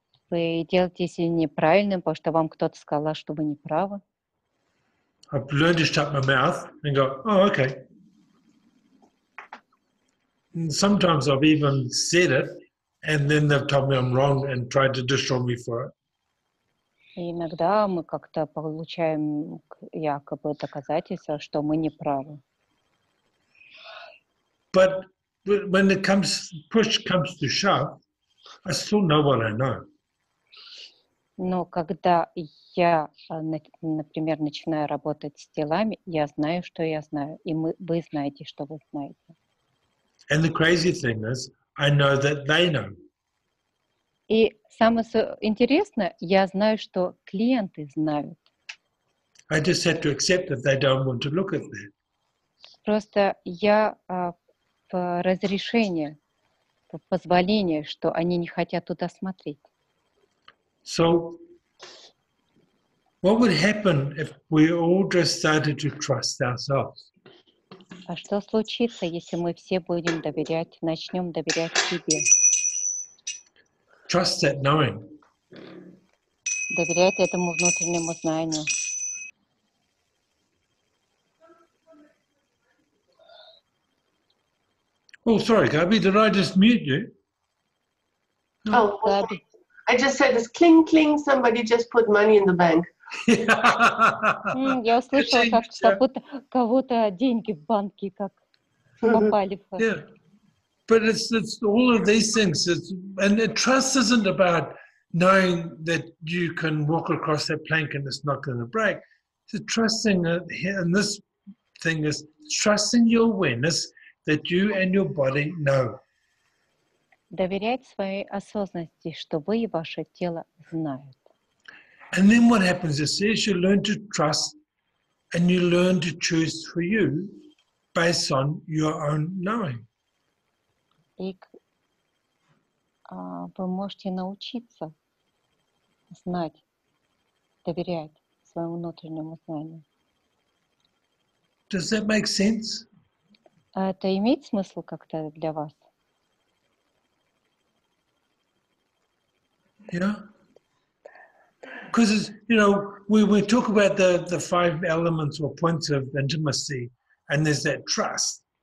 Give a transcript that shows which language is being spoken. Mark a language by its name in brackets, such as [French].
[Russian] Вы делаете себя неправильным, потому что вам кто-то сказал, что вы неправы. [English] I've learned to shut my mouth and go, oh, okay. And sometimes I've even said it, and then they've told me I'm wrong and tried to destroy me for it. [Russian] Иногда мы как-то получаем якобы доказательства, что мы неправы. [English] But when it comes, push comes to shove, I still know what I know. [Russian] Но когда я, например, начинаю работать с телами, я знаю, что я знаю, и мы, вы знаете, что вы знаете. [English] And the crazy thing is, I know that they know. [Russian] И самое интересное, я знаю, что клиенты знают. [English] I just have to accept that they don't want to look at that. [Russian] Просто я в разрешении, в позволении, что они не хотят туда смотреть. [English] So, what would happen if we all just started to trust ourselves? [Russian] А что случится, если мы все будем доверять, начнем доверять себе? [English] Trust that knowing. [Russian] Доверять этому внутреннему знанию. [English] Oh, sorry, Gabi, did I just mute you? No. Oh, Gabi. I just said this cling cling, somebody just put money in the bank. [Russian] Я услышала, как кого-то деньги в банке как попали. [English] But it's all of these things. Trust isn't about knowing that you can walk across that plank and it's not going to break. So trusting in this thing is trusting your awareness that you and your body know. [Russian] Доверять своей осознанности, что вы и ваше тело знают. [English] And then what happens is as you learn to trust and you learn to choose for you based on your own knowing. [Russian] И вы можете научиться знать, доверять своему внутреннему знанию. [English] Does that make sense? [Russian] Это имеет смысл как-то для вас? [English] Yeah, because it's, you know, we talk about the five elements or points of intimacy, and there's that trust.